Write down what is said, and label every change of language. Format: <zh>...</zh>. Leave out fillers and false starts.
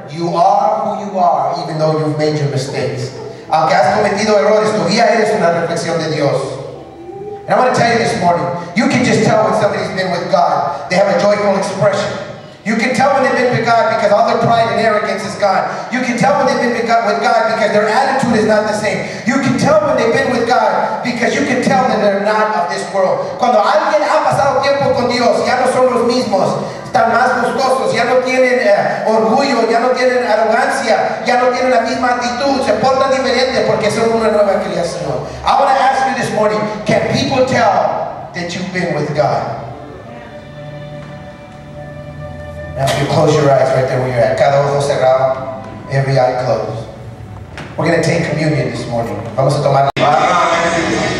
<en>You are who you are, even though you've made your mistakes.</en> <es>Aunque has cometido errores, tu guía eres una reflexión de Dios.</es> <en>And I'm going to tell you this morning, you can just tell when somebody's been with God. They have a joyful expression. You can tell when they've been with God because all their pride and arrogance is gone. You can tell when they've been with God because their attitude is not the same. You can tell when they've been with God because you can tell that they're not of this world.</en> <es>Cuando alguien ha pasado tiempo con Dios, ya no son los mismos. Están más gustosos, ya no tienen orgullo, ya no tienen arrogancia, ya no tienen la misma actitud, se portan diferente porque son una nueva creación.</es> <en>I want to ask you this morning, can people tell that you've been with God? Now if you close your eyes right there where you're at,</en> <es>cada ojo cerrado,</es> <en>every eye closed. We're going to take communion this morning.</en> <es>Vamos a tomar la palabra.</es>